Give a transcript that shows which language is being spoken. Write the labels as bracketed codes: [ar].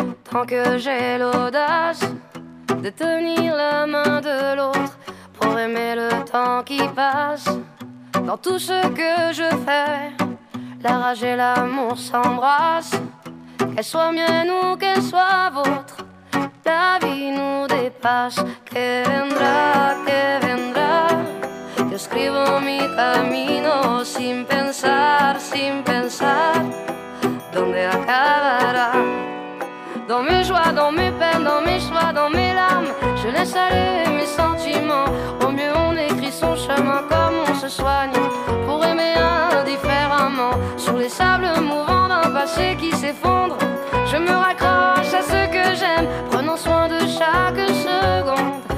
[fr] Tant que j'ai l'audace de tenir la main de l'autre pour aimer le temps qui passe. Dans tout ce que je fais, la rage et l'amour s'embrassent. Qu'elle soit mienne ou qu'elle soit vôtre, la vie nous dépasse. [es] Que vendrá, que vendrá. Yo escribo mi camino sin pensar, sin pensar. ¿Dónde acabará? [fr] Dans mes joies, dans mes peines, dans mes choix, dans mes larmes, je laisse aller mes sentiments. Au mieux on écrit son chemin comme on se soigne pour aimer indifféremment. Sous les sables mouvants d'un passé qui s'effondre, je me raccroche à ce que j'aime, prenant soin de chaque seconde.